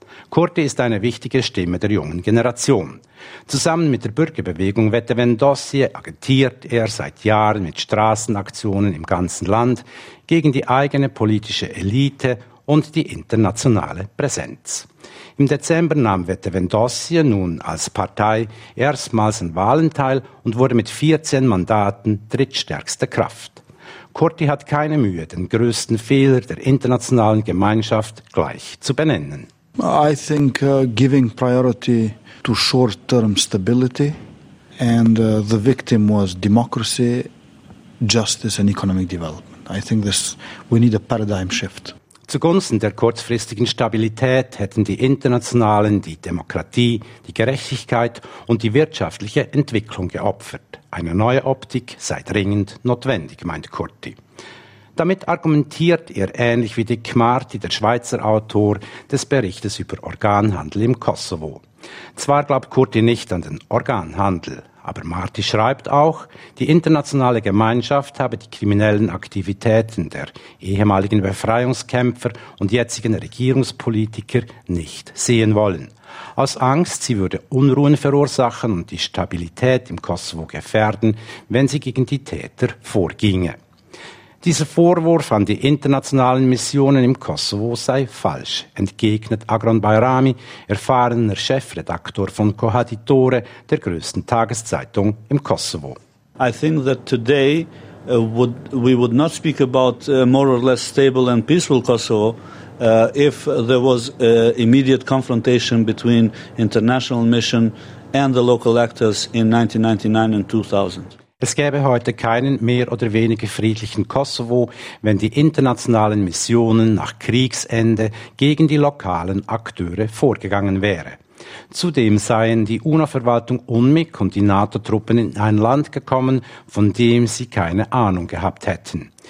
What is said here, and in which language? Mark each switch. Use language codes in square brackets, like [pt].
[de] Kurti ist eine wichtige Stimme der jungen Generation. Zusammen mit der Bürgerbewegung Vete Vendosje agitiert er seit Jahren mit Straßenaktionen im ganzen Land gegen die eigene politische Elite und die internationale Präsenz. Im Dezember nahm Vete Vendosje nun als Partei erstmals an Wahlen teil und wurde mit 14 Mandaten drittstärkste Kraft. Kurti hat keine Mühe, den größten Fehler der internationalen Gemeinschaft gleich zu benennen. [en] I think giving priority to short-term stability and the victim was democracy, justice and economic development. I think this, we need a paradigm shift. [de] Zugunsten der kurzfristigen Stabilität hätten die Internationalen die Demokratie, die Gerechtigkeit und die wirtschaftliche Entwicklung geopfert. Eine neue Optik sei dringend notwendig, meint Kurti. Damit argumentiert er ähnlich wie Dick Marty, der Schweizer Autor des Berichtes über Organhandel im Kosovo. Zwar glaubt Kurti nicht an den Organhandel, aber Marty schreibt auch, die internationale Gemeinschaft habe die kriminellen Aktivitäten der ehemaligen Befreiungskämpfer und jetzigen Regierungspolitiker nicht sehen wollen. Aus Angst, sie würde Unruhen verursachen und die Stabilität im Kosovo gefährden, wenn sie gegen die Täter vorginge. Dieser Vorwurf an die internationalen Missionen im Kosovo sei falsch, entgegnet Agron Bayrami, erfahrener Chefredaktor von Kohaditore, der größten Tageszeitung im Kosovo. [en] I think that today we would not speak about more or less stable and peaceful Kosovo if there was immediate confrontation between international mission and the local actors in 1999 and 2000. [de] Es gäbe heute keinen mehr oder weniger friedlichen Kosovo, wenn die internationalen Missionen nach Kriegsende gegen die lokalen Akteure vorgegangen wäre. Zudem seien die UNO-Verwaltung UNMIK und die NATO-Truppen in ein Land gekommen, von dem sie keine Ahnung gehabt hätten.